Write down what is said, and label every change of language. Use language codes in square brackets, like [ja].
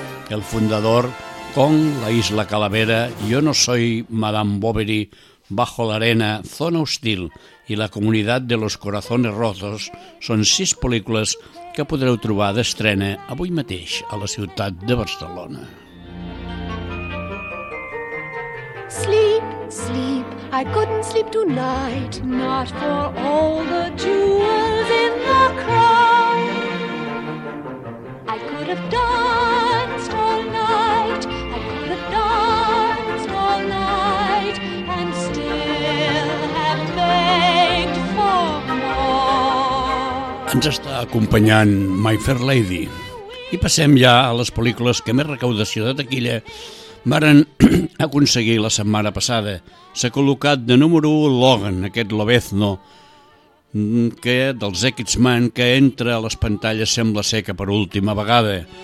[ca] El Fundador, Kong, la isla calavera, Yo no soy Madame Bovary, Bajo la arena, Zona hostil i la comunitat de los corazones rojos són sis pel·lícules que podreu trobar d'estrena avui mateix a la ciutat de Barcelona. [en] Sleep, sleep, I couldn't sleep tonight, not for all the jewels in the crown. I could have danced all night, I could have danced all night, and still have begged for more. [ca] Ens està acompanyant My Fair Lady. I passem ja a les pel·lícules que més recaudació de taquilla varen aconseguir la setmana passada. S'ha col·locat de número 1 Logan, aquest Lobezno, que dels X-Men que entra a les pantalles sembla ser que per última vegada.